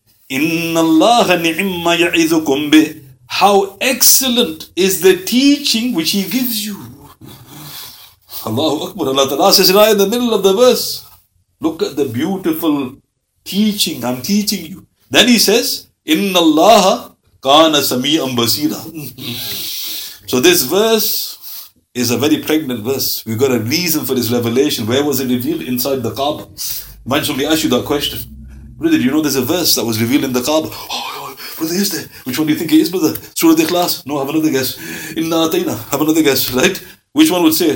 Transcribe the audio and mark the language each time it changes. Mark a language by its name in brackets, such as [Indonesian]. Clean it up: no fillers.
[Arabic] إِنَّ اللَّهَ نِعِمَّ يَعِذُكُمْ بِهِ. [English] How excellent is the teaching which he gives you. Allahu Akbar. Allah Ta'ala says in the middle of the verse, look at the beautiful teaching I'm teaching you. Then he says, [Arabic] إِنَّ اللَّهَ كَانَ سَمِيعًا بَصِيرًا. [English] So this verse is a very pregnant verse. We've got a reason for this revelation. Where was it revealed? Inside the Kaaba. Imagine somebody asked you that question. Brother, do you know there's a verse that was revealed in the Kaaba? Oh, brother, is there? Which one do you think it is, brother? Surah Al-Ikhlas? No, have another guess. Inna Atayna. Have another guess, right? Which one would say?